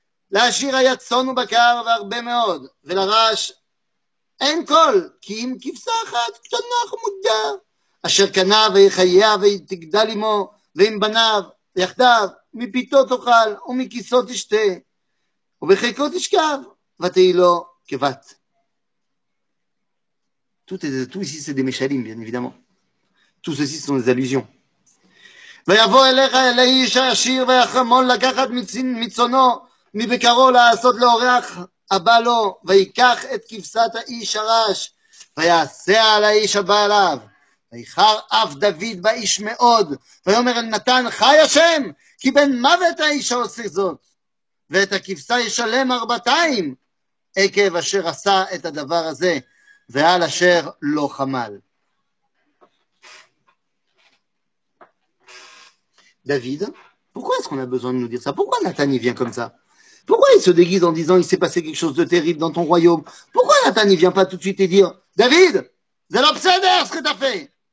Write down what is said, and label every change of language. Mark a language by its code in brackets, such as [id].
[he] לעשיר היה צאן ובקר והרבה מאוד, ולרעש אין קול, כי אם כבשה אחת קטנה ומודה, אשר קנה ויחייה ותגדל עמו, ועם בניו יחדיו, מפיתו תאכל ומכיסו תשתה, ובחיקו תשכב ותהי לו כבת. [fr] Tout ici c'est des méchalim, bien évidemment. Tout ceci sont des allusions. [he] ויבוא אליך אל האיש העשיר והחמון לקחת מצונו מבקרו לעשות לאורח הבא לו, ויקח את כבשת האיש הרש, ויעשה על האיש הבא עליו. ויחר אף דוד באיש מאוד, ויאמר אל נתן, חי השם, כי בן מוות האיש עושה זאת, ואת הכבשה ישלם ארבעתיים, עקב אשר עשה את הדבר הזה, ועל אשר לא חמל. [fr] David, pourquoi est-ce qu'on a besoin de nous dire ça? Pourquoi Nathan il vient comme ça? Pourquoi il se déguise en disant il s'est passé quelque chose de terrible dans ton royaume? Pourquoi Nathan il vient pas tout de suite et dire David, c'est l'obsédère ce que t'as fait?